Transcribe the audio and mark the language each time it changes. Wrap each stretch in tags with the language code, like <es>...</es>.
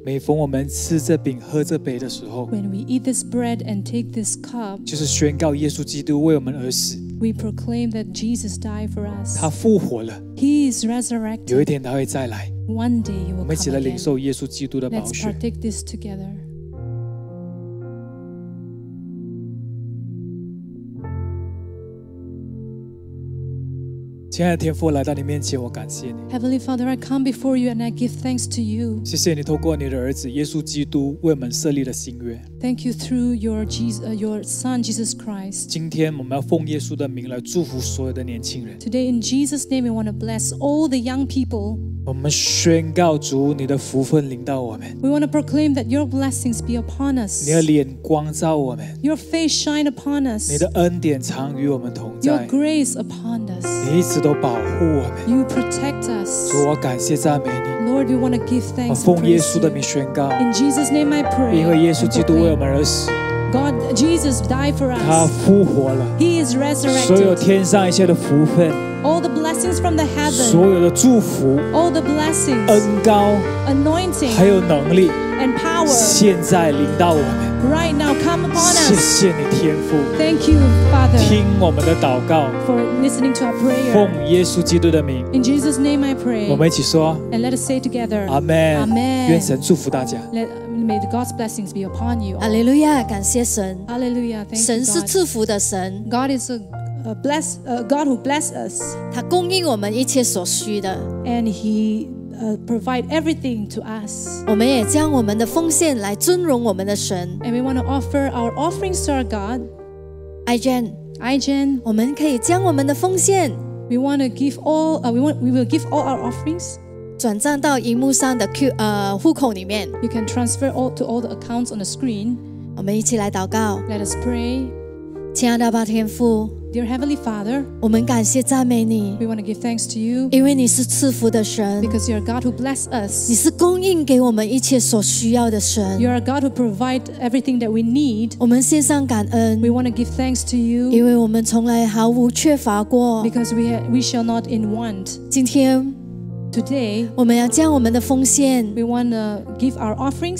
<zh>每逢我们吃这饼喝这杯的时候。</zh> <en>When we eat this bread and take this cup.</en> <zh>就是宣告耶稣基督为我们而死。</zh> <en>We proclaim that Jesus died for us.</en> <zh>他复活了。</zh> <en>He is resurrected.</en> <zh>有一天他会再来。</zh> <en>One day he will come again.</en> <zh>我们一起来领受耶稣基督的宝血。</zh> <en>Let's partake this together.</en> <zh>亲爱的天父，来到你面前，我感谢你。</zh> <en>Heavenly Father, I come before you and I give thanks to you.</en> <zh>谢谢你透过你的儿子耶稣基督为我们设立了新约。</zh> <en>Thank you through your Son Jesus Christ.</en> <zh>今天我们要奉耶稣的名来祝福所有的年轻人。</zh> <en>Today in Jesus' name, we want to bless all the young people.</en> <zh>我们宣告主，你的福分临到我们。</zh> <en>We want to proclaim that your blessings be upon us.</en> <zh>你的脸光照我们。</zh> <en>Your face shine upon us.</en> <zh>你的恩典常与我们同在。</zh> <en>Your grace upon us.</en> <zh>你一直都保护我们。</zh> <en>You protect us.</en> <zh>主，我感谢赞美你。</zh> <en>Lord, we want to give thanks.</en> <zh>我奉耶稣的名宣告。</zh> <en>In Jesus' name, I pray.</en> <zh>因为耶稣基督为我们而死。</zh> <en>God, Jesus died for us.</en> <zh>他复活了。</zh> <en>He is resurrected.</en> <zh>所有天上一切的福分。</zh> <en>All the blessings from the heaven.</en> <zh>所有的祝福。</zh> <en>All the blessings.</en> <zh>恩膏。</zh> <en>Anointing.</en> <zh>还有能力。</zh> <en>And power.</en> <zh>现在临到我们。</zh> <en>Right now, come upon us.</en> <zh>谢谢你，天父。</zh> <en>Thank you, Father.</en> <zh>听我们的祷告。</zh> <en>For listening to our prayer.</en> <zh>奉耶稣基督的名。</zh> <en>In Jesus' name, I pray.</en> <zh>我们一起说。</zh> <en>And let us say together. Amen. Amen.</en> <zh>愿神祝福大家。</zh> <en>May the God's blessings be upon you.</en> <zh>Hallelujah, 感谢神。</zh> <en>Hallelujah, thank you.</en> <zh>神是赐福的神。</zh> <en>God is God who bless us.</en> <zh>他供应我们一切所需的。</zh> <en>And he provide everything to us.</en> <zh>我们也将我们的奉献来尊荣我们的神。</zh> <en>And we want to offer our offerings to our God.</en> <zh>iGen, 我们可以将我们的奉献。</zh> <en>We want to give all, we will give all our offerings.</en> <zh>转账到荧幕上的 户口里面。</zh> <en>You can transfer all to all the accounts on the screen.</en> <zh>我们一起来祷告。</zh> <en>Let us pray.</en> <zh>亲爱的阿爸天父</zh> <en>Dear Heavenly Father,</en> <zh>我们感谢赞美你</zh> <en>We want to give thanks to you,</en> <zh>因为你是赐福的神</zh> <en>Because you are God who bless us,</en> <zh>你是供应给我们一切所需要的神</zh> <en>You are God who provide everything that we need,</en> <zh>我们献上感恩</zh> <en>We want to give thanks to you,</en> <zh>因为我们从来毫无缺乏过</zh> <en>Because we shall not in want,</en> <zh>今天</zh> <en>Today,</en> <zh>我们要将我们的奉献</zh> <en>we want to give our offerings,</en>